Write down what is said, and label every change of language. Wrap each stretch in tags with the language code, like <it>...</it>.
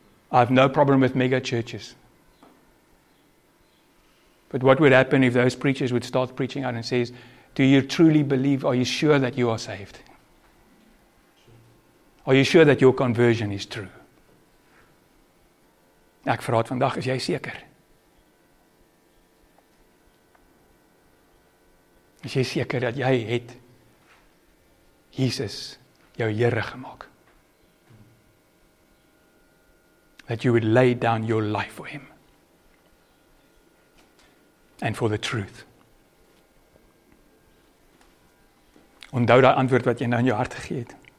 <en>I have no problem with mega churches. But what would happen if those preachers would start preaching out and says, "Do you truly believe? Are you sure that you are saved? Are you sure that your conversion is true?"</en> <af>Ek vraag vandag, is jy seker? Is jy seker dat jy het Jesus jou Here gemaak?</af> <en>That you would lay down your life for Him. And for the truth.</en> <af>Onthou daai antwoord wat jy nou in jou hart gegee het.</af>